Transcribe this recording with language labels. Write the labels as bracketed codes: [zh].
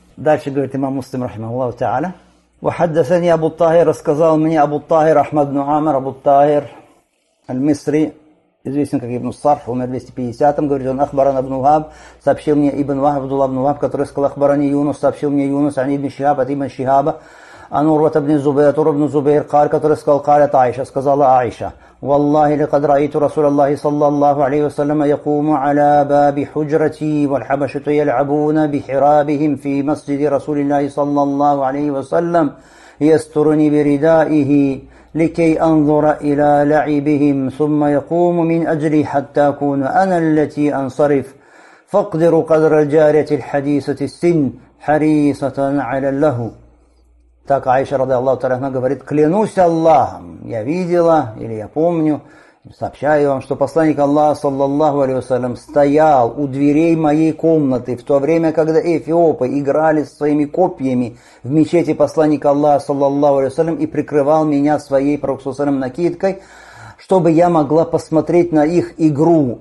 [ru] Дальше говорит имам Муслим, рахимахуллаху та'аля. «Вахаддасани Абу Тахир, рассказал мне Абу Тахир, Ахмад ибн Амир, Абу Тахир, аль-Мисри, известен как Ибн Сарф, умер 250-м, говорит он, Ахбаран Абн Вахаб, сообщил мне Ибн Вахаб, Абдулла Абн Вахаб, который сказал, Ахбарани Юнус, сообщил мне Юнус, ани ибн Шихаб, от ибн Шихаба, ан Урва ибн Зубейр, от Урва ибн Зубейр, каль, который сказал, каль, от Айша, сказала Айша». [ar] والله لقد رأيت رسول الله صلى الله عليه وسلم يقوم على باب حجرتي والحبشة يلعبون بحرابهم في مسجد رسول الله صلى الله عليه وسلم يسترني بردائه لكي أنظر إلى لعبهم ثم يقوم من أجلي حتى أكون أنا التي أنصرف فاقدر قدر الجارية الحديثة السن حريصة على له. [ru] Так Аиша, ради Аллаху Тааля, она говорит, клянусь Аллахом, я видела, или я помню, сообщаю вам, что посланник Аллаха, саллаллаху алейхи ва саллям, стоял у дверей моей комнаты в то время, когда эфиопы играли своими копьями в мечети посланника Аллаха, саллаллаху алейхи ва саллям, и прикрывал меня своей, пророк саллям, накидкой, чтобы я могла посмотреть на их игру.